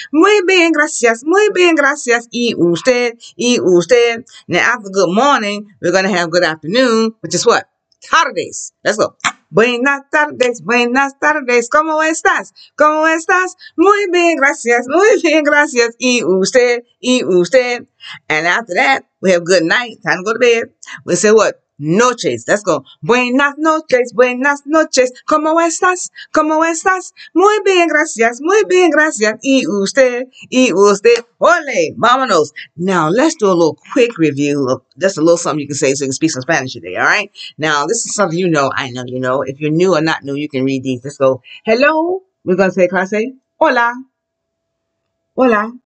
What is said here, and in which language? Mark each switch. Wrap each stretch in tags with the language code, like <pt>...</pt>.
<es>Muy bien, gracias, y usted.</es> <en>Now, after good morning, we're going to have good afternoon, which is what?</en> <es>Tardes.</es> <en>Let's go.</en> <es>Buenas tardes, ¿cómo estás? ¿Cómo estás? Muy bien, gracias, y usted.</es> <en>And after that, we have good night, time to go to bed. We say what?</en> <es>Noches,</es> <en>let's go.</en> <es>Buenas noches, ¿cómo estás? ¿Cómo estás? Muy bien, gracias, y usted, ole, vámonos.</es> <en>Now, let's do a little quick review of just a little something you can say so you can speak some Spanish today, all right? Now, this is something you know, I know you know. If you're new or not new, you can read these. Let's go. Hello, we're going to say clase.</en> <es>Hola. Hola.</es>